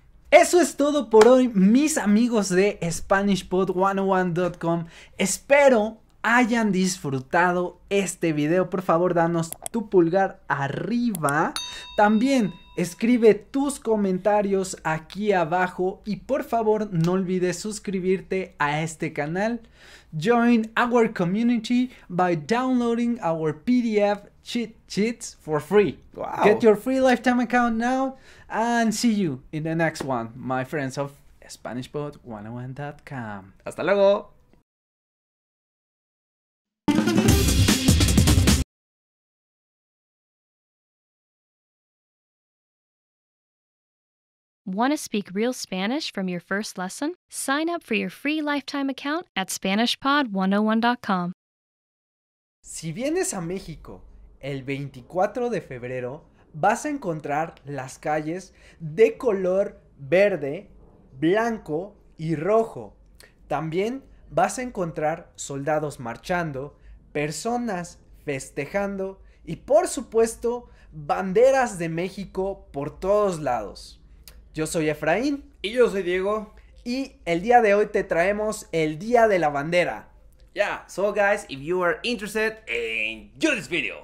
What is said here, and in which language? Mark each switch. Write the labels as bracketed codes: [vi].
[es] Eso es todo por hoy, mis amigos de SpanishPod101.com. Espero hayan disfrutado este video. Por favor, danos tu pulgar arriba. También escribe tus comentarios aquí abajo y por favor no olvides suscribirte a este canal. [en] Join our community by downloading our PDF cheat sheets for free. Wow. Get your free lifetime account now and see you in the next one, my friends of SpanishPod101.com. [es] ¡Hasta luego! [en] Want to speak real Spanish from your first lesson? Sign up for your free lifetime account at SpanishPod101.com. [es] Si vienes a México el 24 de febrero, vas a encontrar las calles de color verde, blanco y rojo. También vas a encontrar soldados marchando, personas festejando y, por supuesto, banderas de México por todos lados. Yo soy Efraín. Y yo soy Diego. Y el día de hoy te traemos el Día de la Bandera. [en] Yeah, so guys, if you are interested, enjoy this video.